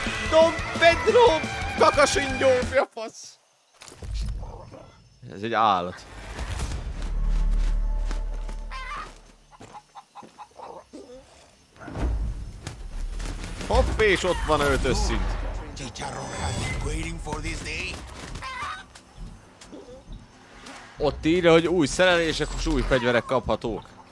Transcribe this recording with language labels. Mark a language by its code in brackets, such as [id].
[hu] Dom Pedro kakasindyó, mi a fasz? Ez egy állat. Hopp, és ott van a ötös szint. [en] Chicharro has been waiting for this day. [hu] Ott írja, hogy új szerelések és új fegyverek kaphatók.